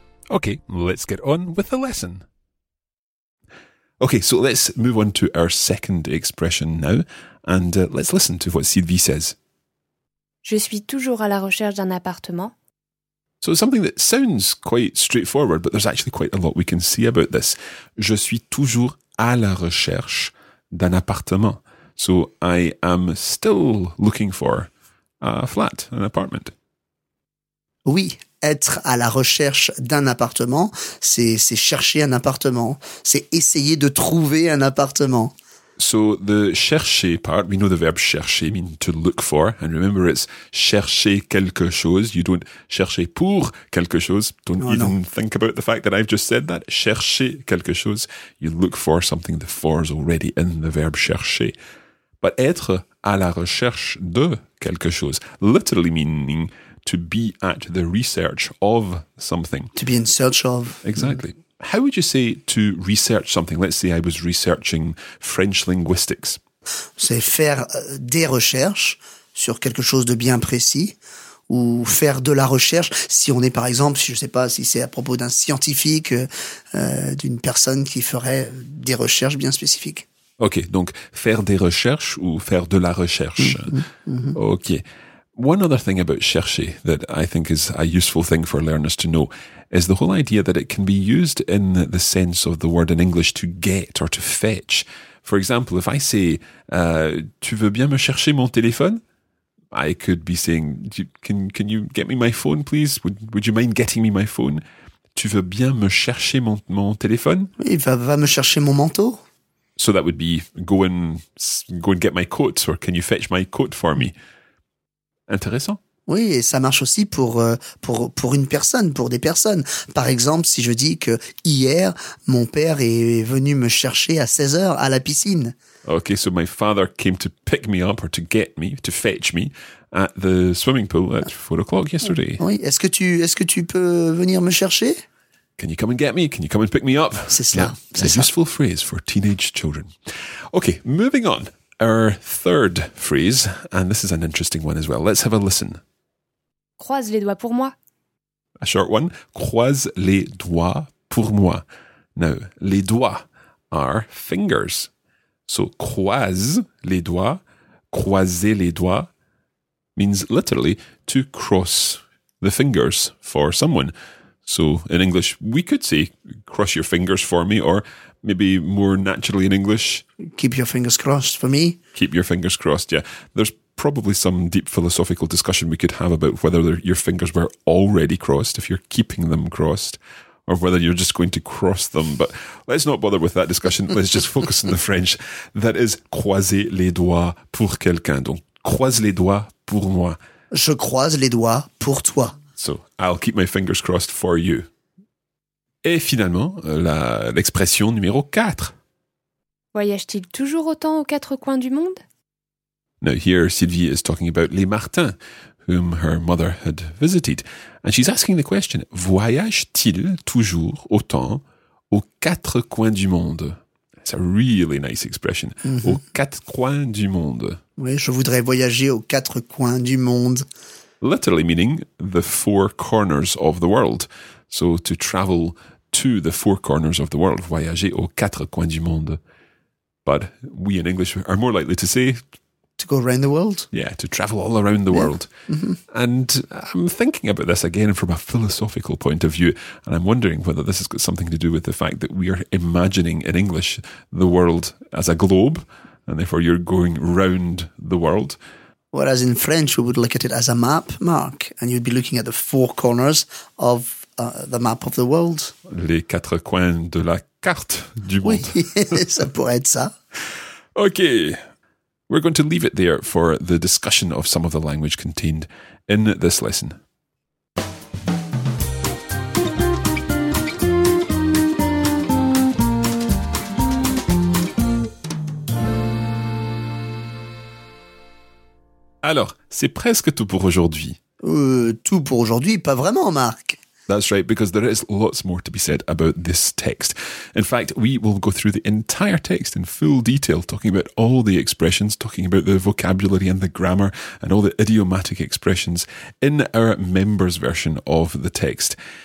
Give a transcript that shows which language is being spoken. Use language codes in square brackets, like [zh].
[en] Okay, let's get on with the lesson. Okay, so let's move on to our second expression now, and let's listen to what Sylvie says. [fr] Je suis toujours à la recherche d'un appartement. [en] So it's something that sounds quite straightforward, but there's actually quite a lot we can see about this. [fr] Je suis toujours à la recherche d'un appartement. [en] So I am still looking for a flat, an apartment. [fr] Oui. Être à la recherche d'un appartement, c'est chercher un appartement. C'est essayer de trouver un appartement. [en] So the chercher part, we know the verb chercher means to look for. And remember, it's [fr] chercher quelque chose. [en] You don't [fr] chercher pour quelque chose. [en] Think about the fact that I've just said that. [fr] Chercher quelque chose. [en] You look for something, the for is already in the verb chercher. But [fr] être à la recherche de quelque chose, [en] literally meaning to be at the research of something. To be in search of. Exactly. Mm. How would you say to research something? Let's say I was researching French linguistics. [fr] C'est faire des recherches sur quelque chose de bien précis ou faire de la recherche. Si on est, par exemple, je ne sais pas si c'est à propos d'un scientifique, d'une personne qui ferait des recherches bien spécifiques. OK, donc faire des recherches ou faire de la recherche. Mm-hmm. OK. [en] One other thing about chercher that I think is a useful thing for learners to know is the whole idea that it can be used in the sense of the word in English to get or to fetch. For example, if I say, [fr] tu veux bien me chercher mon téléphone? [en] I could be saying, can you get me my phone, please? Would you mind getting me my phone? [fr] Tu veux bien me chercher mon téléphone? Oui, va me chercher mon manteau. [en] So that would be, go and get my coat, or can you fetch my coat for me? [fr] Intéressant. Oui, et ça marche aussi pour une personne, pour des personnes. Par exemple, si je dis que hier, mon père est venu me chercher à 16h à la piscine. [en] Okay, so my father came to pick me up or to get me, to fetch me at the swimming pool at 4 o'clock yesterday. [fr] Oui, est-ce que tu peux venir me chercher? [en] Can you come and get me? Can you come and pick me up? [fr] C'est cela. [en] Yeah, c'est a useful phrase for teenage children. Okay, moving on. Our third phrase, and this is an interesting one as well. Let's have a listen. [fr] Croise les doigts pour moi. [en] A short one. [fr] Croise les doigts pour moi. [en] Now, les doigts are fingers. So, [fr] croise les doigts, croiser les doigts, [en] means literally to cross the fingers for someone. So, in English, we could say, cross your fingers for me, or maybe more naturally in English, keep your fingers crossed for me. Keep your fingers crossed, yeah. There's probably some deep philosophical discussion we could have about whether your fingers were already crossed, if you're keeping them crossed, or whether you're just going to cross them. But let's not bother with that discussion. Let's just focus on the French. That is [fr] croiser les doigts pour quelqu'un. Donc, croise les doigts pour moi. Je croise les doigts pour toi. [en] So, I'll keep my fingers crossed for you. [fr] Et finalement, l'expression numéro 4. Voyage-t-il toujours autant aux quatre coins du monde? [en] Now here, Sylvie is talking about les Martins, whom her mother had visited. And she's asking the question, [fr] voyage-t-il toujours autant aux quatre coins du monde? [en] It's a really nice expression. Mm-hmm. [fr] Aux quatre coins du monde. Oui, je voudrais voyager aux quatre coins du monde. [en] Literally meaning the four corners of the world. So to travel to the four corners of the world, [fr] voyager aux quatre coins du monde. [en] But we in English are more likely to say... to go around the world? Yeah, to travel all around the world. Mm-hmm. And I'm thinking about this again from a philosophical point of view, and I'm wondering whether this has got something to do with the fact that we are imagining in English the world as a globe, and therefore you're going round the world. Whereas in French, we would look at it as a map, Mark, and you'd be looking at the four corners of the map of the world. [fr] Les quatre coins de la carte du monde. Oui, ça pourrait être ça. [en] OK. We're going to leave it there for the discussion of some of the language contained in this lesson. [fr] Alors, c'est presque tout pour aujourd'hui. Tout pour aujourd'hui, pas vraiment, Marc. [en] That's right, because there is lots more to be said about this text. In fact, we will go through the entire text in full detail, talking about all the expressions, talking about the vocabulary and the grammar and all the idiomatic expressions in our members' version of the text.